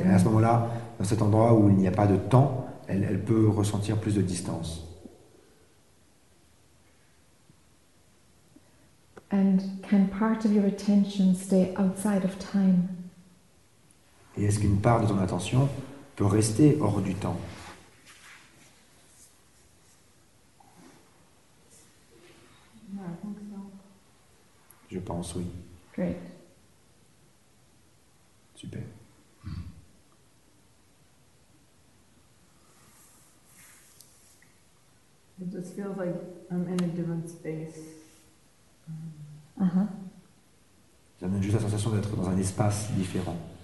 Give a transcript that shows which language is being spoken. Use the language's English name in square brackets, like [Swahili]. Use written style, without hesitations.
[French] Mm-hmm. À ce moment-là, dans cet endroit où il n'y a pas de temps, elle peut ressentir plus de distance. [English] And can part of your attention stay outside of time? [French] Et est-ce qu'une part de ton attention peut rester hors du temps? Je pense, oui. [English] Great. [French] Super. [English] It just feels like I'm in a different space. [French] Ça donne juste la sensation d'être dans un espace différent.